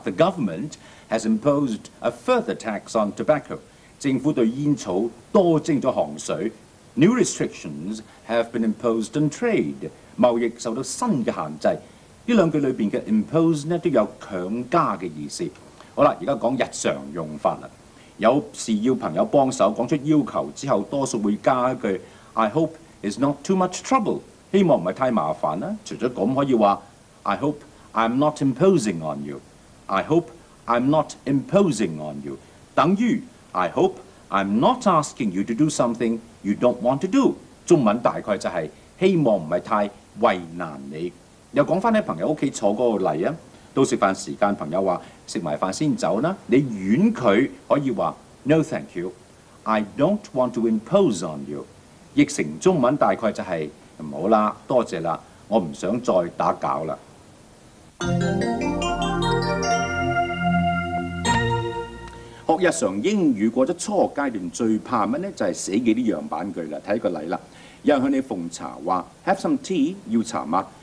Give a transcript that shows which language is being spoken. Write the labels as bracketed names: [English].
[English] The government has imposed a further tax on tobacco. [Cantonese] 政府對煙草多徵咗行税。 [English] New restrictions have been imposed on trade. [Cantonese] 貿易受到新嘅限制。呢兩句裏邊嘅 impose 咧都有強加嘅意思。好啦，而家講日常用法啦。有事要朋友幫手，講出要求之後，多數會加一句 [English] I hope it's not too much trouble， [Cantonese] 希望唔係太麻煩啦。除咗咁，可以話 [English] I hope I'm not imposing on you， I hope I'm not imposing on you， [Cantonese] 等於 [English] I hope I'm not asking you to do something you don't want to do。 [Cantonese] 中文大概就係希望唔係太為難你。又講翻喺朋友屋企坐嗰個例啊。到食飯時間，朋友話食埋飯先走啦。你婉拒可以話 [English] No thank you, I don't want to impose on you。 [Cantonese] 譯成中文大概就係唔好啦，多謝啦，我唔想再打攪啦。學日常英語過咗初階段，最怕乜咧？就係寫幾啲樣板句啦。睇個例啦，有人向你奉茶話 [English] Have some tea， [Cantonese] 要茶嗎？